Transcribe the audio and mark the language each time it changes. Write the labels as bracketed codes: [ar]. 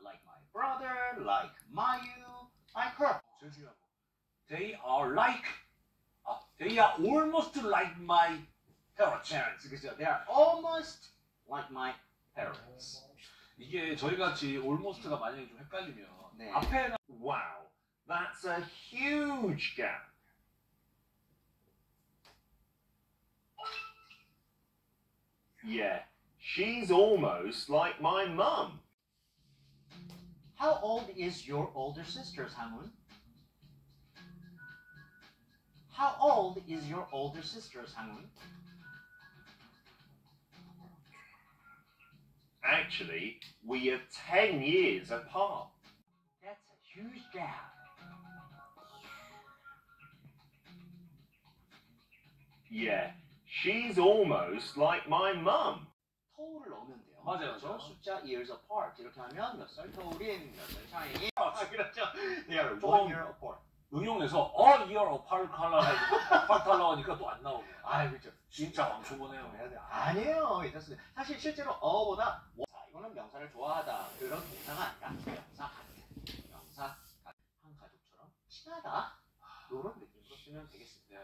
[en] Like my brother, like Mayu, like her. [ko] 제일 중요한 거. [en] They are like. They are almost like my parents. [ko] 그렇죠. [en] They are almost like my parents. [ko] 이게 저희 같이 almost가 만약에 좀 헷갈리면 네. 앞에 [en] wow, that's a huge gap. 예, she's almost like my mum. How old is your older sister, 상훈? How old is your older sister, 상훈? Actually, we are 10 years apart. That's a huge gap. Yeah, she's almost like my mum. [ko] 토울을 넣으면 돼요. 맞아요. 그렇죠? 숫자 [en] years apart [ko] 이렇게 하면 몇 살 토울인 몇 살 차이. 아 그렇죠. [en] They are one year apart. [ko] 응용해서 [en] a year apart [ko] 하려고 apart 하려고 하니까 또 안 나오네. 아 그렇죠. 진짜 왕초보네요. 아니에요. 괜찮습니다. 사실 실제로 어보다 자 이거는 명사를 좋아하다 그런 동사가 아니라 명사 같은 명사 같은 한 가족처럼 친하다 이런 느낌으로 쓰면 되겠습니다.